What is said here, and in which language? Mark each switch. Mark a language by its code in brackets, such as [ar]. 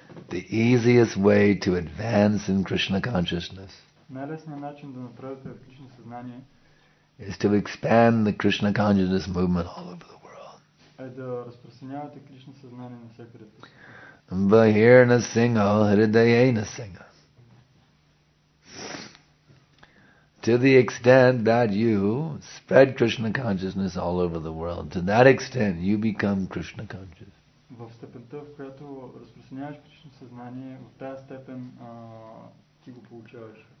[en] The easiest way to advance in Krishna consciousness is to expand the Krishna consciousness movement all over the world. [bg] е да разпространявате Кришна съзнание на всеки ред. Bahirna Singha Hridayena Singha. [en] To the extent that you spread Krishna consciousness all over the world, to that extent you become Krishna conscious. [bg] В степента, в която разпространяваш Кришна съзнание, в тази степен ти го получаваш.